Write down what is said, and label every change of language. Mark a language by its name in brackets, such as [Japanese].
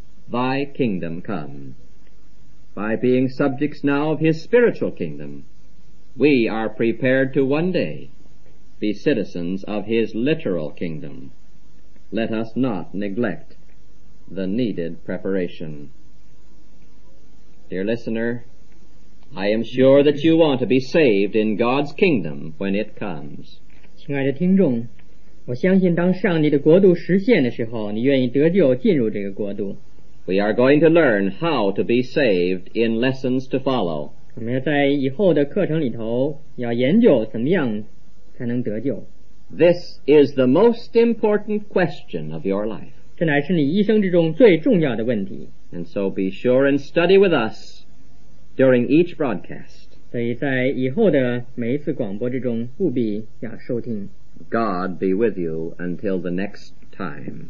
[English] Thy kingdom come. By being subjects now of his spiritual kingdom, we are prepared to one day be citizens of his literal kingdom. Let us not neglect the needed preparation. Dear listener, I am sure that you want to be saved in God's kingdom when it comes. [Chinese] 亲爱的听众，我相信当上帝的国度实现的时候，你愿意得救进入这个国度。 [English] We are going to learn how to be saved in lessons to follow. [Chinese] 我们要在以后的课程里头要研究怎么样才能得救。 [English] This is the most important question of your life. [Chinese] 这乃是你一生之中最重要的问题。 [English] And so be sure and study with us during each broadcast. [Chinese] 所以在以后的每一次广播之中务必要收听。 [English] God be with you until the next time.